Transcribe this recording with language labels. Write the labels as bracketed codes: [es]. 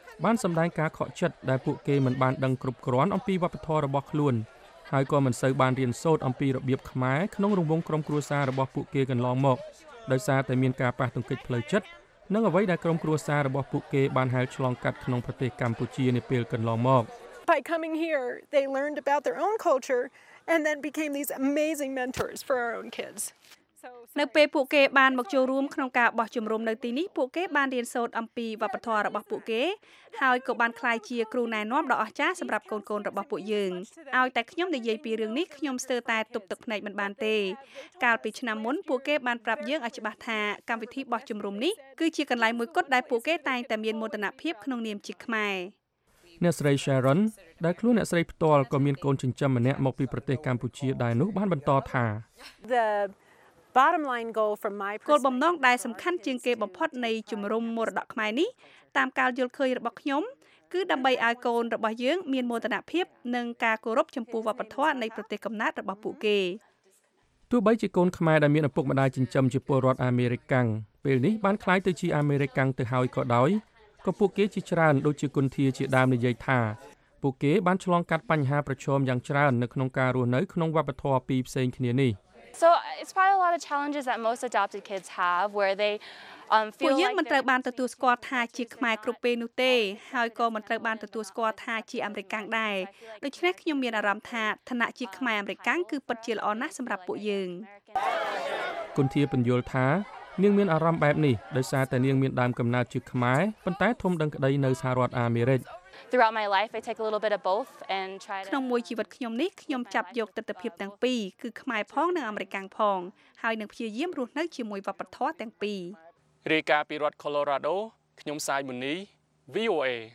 [km] បានសម្ដែងការខកចិត្តដែលពួកគេមិនបានដឹងគ្រប់គ្រាន់អំពីវប្បធម៌របស់ខ្លួនហើយក៏មិនសូវបានរៀនសូត្រអំពីរបៀបខ្មែរក្នុងរង្វង់ក្រុមគ្រួសាររបស់ពួកគេកន្លងមកដោយសារតែមានការប៉ះទង្គិចផ្លូវចិត្តនឹងអ្វីដែលក្រុមគ្រួសាររបស់ពួកគេបានហែលឆ្លងកាត់ក្នុងប្រទេសកម្ពុជានាពេលកន្លងមក [en] by coming here they learned about their own culture and then became these amazing mentors for our own kids [km] នៅពេលពួកគេបានមកចូលរួមក្នុងការបោះជំរំនៅទីនេះពួកគេបានរៀនសូត្រអំពីវប្បធម៌របស់ពួកគេហើយក៏បានក្លាយជាគ្រូណែនាំដ៏អស្ចារ្យសម្រាប់កូនកូនរបស់ពួកយើងឲ្យតែខ្ញុំនិយាយពីរឿងនេះខ្ញុំស្ទើរតែទប់ទឹកភ្នែកមិនបានទេកាលពីឆ្នាំមុនពួកគេបានប្រាប់យើងឲ្យច្បាស់ថាកម្មវិធីបោះជំរំនេះគឺជាកន្លែងមួយគត់ដែលពួកគេតែងតែមានមោទនភាពក្នុងនាមជាខ្មែរ អ្នកស្រី Sharon ដែលខ្លួនអ្នកស្រីផ្ទាល់ក៏មានកូនចិញ្ចឹមម្នាក់មកពីប្រទេសកម្ពុជាដែរនោះបានបន្តថា គោលបំណងដែលសំខាន់ជាងគេបំផុតនៃជំរំមរតកខ្មែរនេះតាមការយល់ឃើញរបស់ខ្ញុំគឺដើម្បីឲ្យកូនរបស់យើងមានមោទនភាពនិងការគោរពចំពោះវប្បធម៌នៃប្រទេសកំណើតរបស់ពួកគេ ទោះបីជាកូនខ្មែរដែលមានឪពុកម្ដាយចិញ្ចឹមជាពលរដ្ឋអាមេរិកកាំងពេលនេះបានក្លាយទៅជាអាមេរិកកាំងទៅហើយក៏ដោយក៏ពួកគេជាច្រើនដូចជាគុនធាជាដើមនិយាយថាពួកគេបានឆ្លងកាត់បញ្ហាប្រឈមយ៉ាងច្រើននៅក្នុងការរស់នៅក្នុងវប្បធម៌ពីរផ្សេងគ្នានេះ [en] So it's probably a lot of challenges that most adopted kids have where they [km] ពួកយើងមិនត្រូវបានទទួលស្គាល់ថាជាខ្មែរគ្រប់ពេលនោះទេហើយក៏មិនត្រូវបានទទួលស្គាល់ថាជាអាមេរិកកាំងដែរដូច្នេះខ្ញុំមានអារម្មណ៍ថាឋានៈជាខ្មែរអាមេរិកកាំងគឺពិតជាល្អណាស់សម្រាប់ពួកយើង គុនធាបញ្យលថានាងមានអារម្មណ៍បែបនេះដោយសារតែនាងមានដើមកំណើតជាខ្មែរប៉ុន្តែធំដឹងក្តីនៅសហរដ្ឋអាមេរិក [en] Throughout my life I take a little bit of both and try to [km] ក្នុងមួយជីវិតខ្ញុំនេះខ្ញុំចាប់យកទស្សនវិជ្ជាទាំងពីរគឺខ្មែរផងនិងអាមេរិកផងហើយនឹងព្យាយាមរស់នៅជាមួយវប្បធម៌ទាំងពីររាជការពីរដ្ឋ Colorado ខ្ញុំសាយមុនី VOA